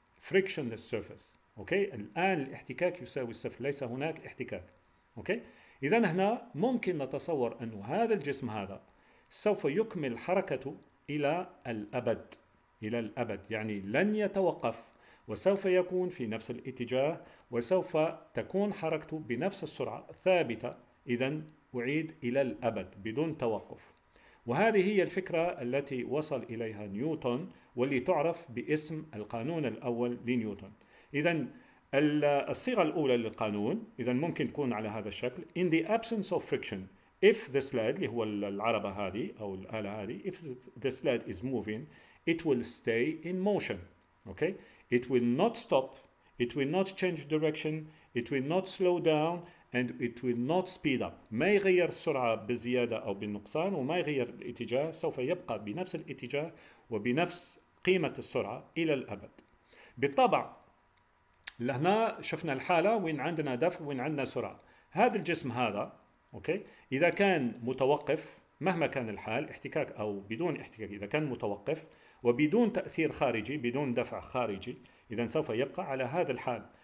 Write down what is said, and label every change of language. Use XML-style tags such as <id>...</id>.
<en>frictionless surface،</en> <ar>أوكي؟ الآن الاحتكاك يساوي الصفر، ليس هناك احتكاك، أوكي؟ إذن هنا ممكن نتصور أن هذا الجسم هذا سوف يكمل حركته إلى الأبد، إلى الأبد، يعني لن يتوقف، وسوف يكون في نفس الاتجاه، وسوف تكون حركته بنفس السرعة ثابتة، إذن أعيد إلى الأبد بدون توقف. وهذه هي الفكرة التي وصل إليها نيوتن، واللي تعرف باسم القانون الأول لنيوتن. إذن الصيغة الأولى للقانون إذن ممكن تكون على هذا الشكل:</ar> <en>In the absence of friction, if the sled</en> <ar>اللي هو العربة هذه أو الآلة هذه،</ar> <en>if the sled is moving, it will stay in motion. Okay? It will not stop, it will not change direction, it will not slow down, and it will not speed up.</en> <ar>ما يغير السرعة بالزيادة أو بالنقصان، وما يغير الاتجاه، سوف يبقى بنفس الاتجاه وبنفس قيمة السرعة إلى الأبد. بالطبع لهنا شفنا الحالة وين عندنا دفع وين عندنا سرعة. هذا الجسم هذا، أوكي، إذا كان متوقف مهما كان الحال، احتكاك أو بدون احتكاك، إذا كان متوقف وبدون تأثير خارجي، بدون دفع خارجي، إذن سوف يبقى على هذا الحال.</ar>